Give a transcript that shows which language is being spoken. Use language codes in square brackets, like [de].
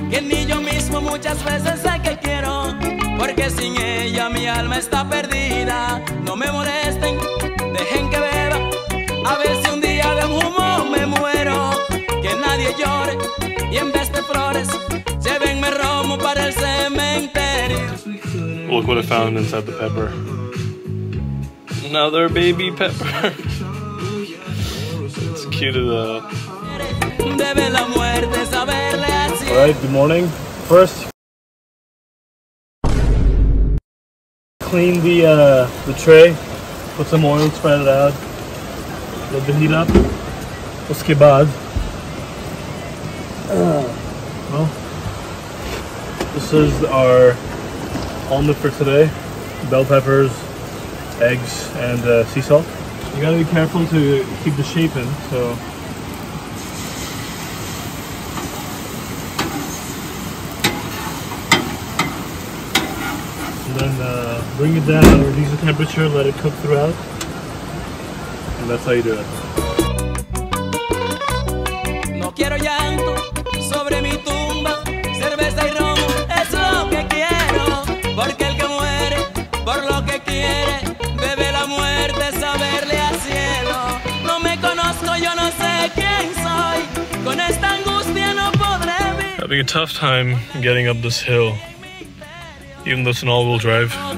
[es] Que ni yo mismo muchas veces sé que quiero, porque sin ella mi alma está perdida. No me molesten, dejen que beba, a ver si un día de un humo me muero. Que nadie llore y en vez de flores llévenme romo para el cementerio. [en] Look what I found inside the pepper. Another baby pepper. It's cute as hell. [es] Debe la muerte saberle así. [en] Alright, good morning. First, clean the tray, put some oil, spread it out, let the heat up. [hi] Uske baad. [en] Well, this is our omelet for today. Bell peppers, eggs, and sea salt. You gotta be careful to keep the shape in, so. Bring it down, reduce the temperature, let it cook throughout, and that's how you do it. [es] No quiero llanto sobre mi tumba, cerveza y ron es lo que quiero, porque el que muere por lo que quiere bebe la muerte saberle al cielo. No me conozco, yo no sé quién soy, con esta angustia no podré vivir. [en] Having a tough time getting up this hill, even though it's an all-wheel drive.